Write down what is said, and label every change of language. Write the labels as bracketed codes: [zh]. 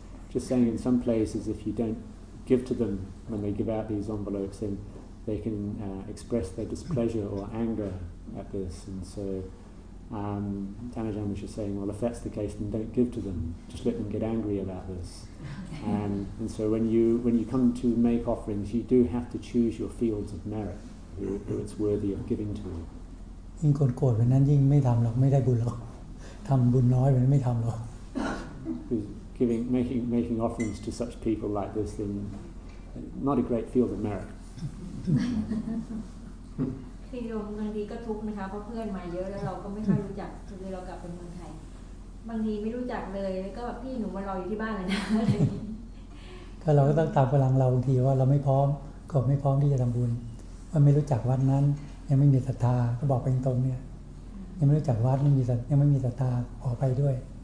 [en] just saying in some places if you don't give to them when they give out these envelopes thenThey can express their displeasure or anger at this, and so Tanajan was just saying, well, if that's the case, then don't give to them. Just let them get angry about this. And so when you come to make offerings, you do have to choose your fields of merit, who it's worthy of giving to. [th] ยิ่งโกรธนั้นยิ่งไม่ทำหรอกไม่ได้บุญหรอกทำบุญน้อยไม่ทำหรอก [en] Giving, making offerings to such people like this, then not a great field of merit. [th] คือโยมบางทีก็ทุกข์นะคะเพราะเพื่อนมาเยอะแล้วเราก็ไม่ค่อยรู้จักคือเรากลับเป็นคนไทยบางทีไม่รู้จักเลยแล้วก็แบบพี่หนูมารออยู่ที่บ้านเลยนะ ก็เราก็ต้องตามกำลังเราบางทีว่าเราไม่พร้อมก็ไม่พร้อมที่จะทำบุญว่าไม่รู้จักวัดนั้นยังไม่มีศรัทธาก็บอกไปตรงเนี่ยยังไม่รู้จักวัดไม่มีศรัทธายังไม่มีศรัทธาขอไปด้วย